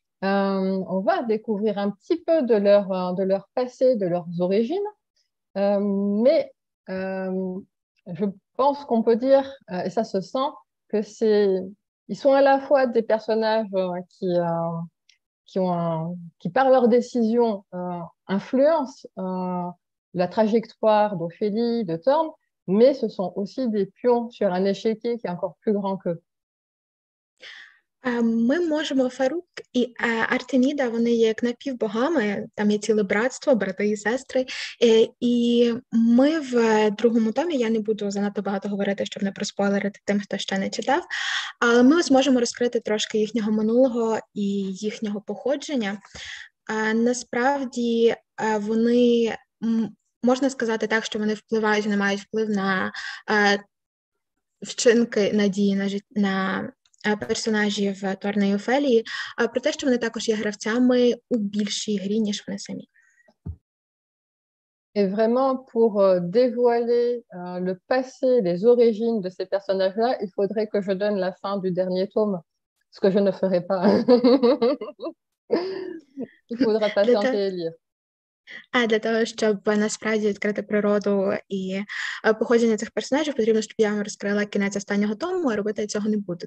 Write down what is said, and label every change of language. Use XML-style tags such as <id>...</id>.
<fr>On va découvrir un petit peu de leur passé, de leurs origines, mais je pense qu'on peut dire, et ça se sent, que c'est ils sont à la fois des personnages qui par leurs décisions influencent la trajectoire d'Ophélie, de Thorne, mais ce sont aussi des pions sur un échiquier qui est encore plus grand qu'eux.</fr> <uk>Ми можемо Фарук і Артеміда, вони є як напівбогами, там є ціле братство, брати і сестри. І ми в другому томі, я не буду занадто багато говорити, щоб не проспойлерити тим, хто ще не читав, але ми зможемо розкрити трошки їхнього минулого і їхнього походження. Насправді вони, можна сказати так, що вони впливають, вони мають вплив на вчинки, на дії, на життя, на персонажів Торна і Офелії, а про те, що вони також є гравцями у більшій грі, ніж вони самі.</uk> <fr>Et vraiment, pour dévoiler le passé, les origines de ces personnages-là, il faudrait que je donne la fin du dernier tome, ce que je ne ferai pas. Il faudra patienter et lire.</fr> <uk>А для того, щоб насправді відкрити природу і походження цих персонажів, потрібно, щоб я вам розкрила кінець останнього тому, а робити цього не буде.</uk>